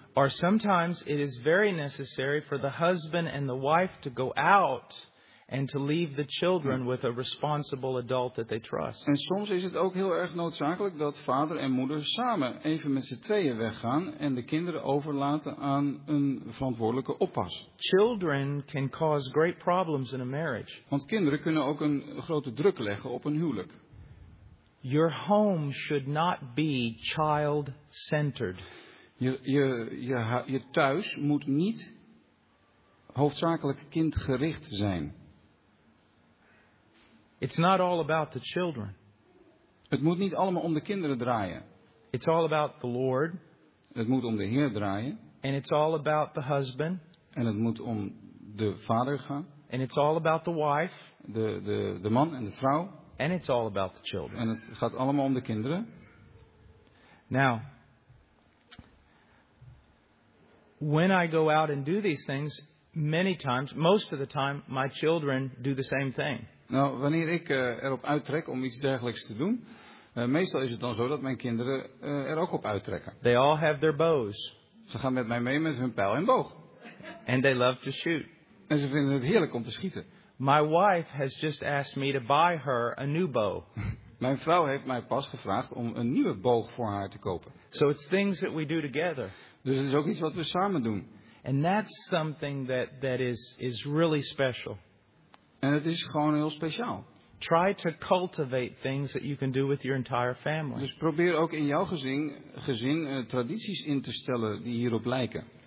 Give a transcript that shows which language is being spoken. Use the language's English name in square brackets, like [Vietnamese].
[English] Or sometimes it is very necessary for the husband and the wife to go out and to leave the children with a responsible adult that they trust. [Dutch] En soms is het ook heel erg noodzakelijk dat vader en moeder samen even met z'n tweeën weggaan en de kinderen overlaten aan een verantwoordelijke oppas. [English] Children can cause great problems in a marriage. [Dutch] Want kinderen kunnen ook een grote druk leggen op een huwelijk. [English] Your home should not be child-centered. [Dutch] Je thuis moet niet hoofdzakelijk kindgericht zijn. [English] It's not all about the children. [Dutch] Het moet niet allemaal om de kinderen draaien. [English] It's all about the Lord. [Dutch] Het moet om de Heer draaien. [English] And it's all about the husband. [Dutch] En het moet om de vader gaan. [English] And it's all about the wife. [Dutch] De man en de vrouw. [English] And it's all about the children. [Dutch] En het gaat allemaal om de kinderen. [English] Now, when I go out and do these things, many times, most of the time, my children do the same thing. [Dutch] Nou, wanneer ik erop uittrek om iets dergelijks te doen, meestal is het dan zo dat mijn kinderen er ook op uittrekken. [English] They all have their bows. [Dutch] Ze gaan met mij mee met hun pijl en boog. [English] And they love to shoot. [Dutch] En ze vinden het heerlijk om te schieten. [English] My wife has just asked me to buy her a new bow. [Dutch] Mijn vrouw heeft mij pas gevraagd om een nieuwe boog voor haar te kopen. [English] So it's things that we do together. [Dutch] Dus het is ook iets wat we samen doen. [English] And that's something that is really special. [Dutch] En het is gewoon heel speciaal. [English] Try to cultivate things that you can do with your entire family. [Dutch] Dus probeer ook in jouw gezin tradities in te stellen die hierop lijken.